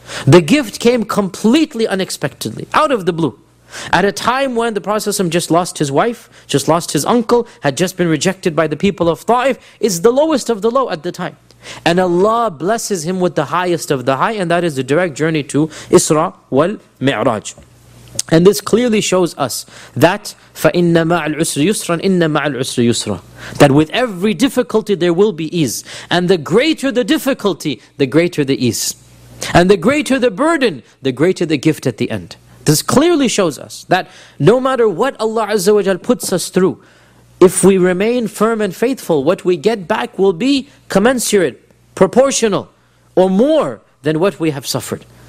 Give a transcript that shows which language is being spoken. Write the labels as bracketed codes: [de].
[en] The gift came completely unexpectedly, out of the blue. At a time when the Prophet ﷺ just lost his wife, just lost his uncle, had just been rejected by the people of Ta'if, is the lowest of the low at the time. And Allah blesses him with the highest of the high, and that is the direct journey to Isra wal Mi'raj. And this clearly shows us that [ar] فَإِنَّ مَعَ الْعُسْرِ يُسْرًا إِنَّ مَعَ الْعُسْرِ يُسْرًا. [en] That with every difficulty there will be ease. And the greater the difficulty, the greater the ease. And the greater the burden, the greater the gift at the end. This clearly shows us that no matter what Allah Azza wa Jal puts us through, if we remain firm and faithful, what we get back will be commensurate, proportional, or more than what we have suffered.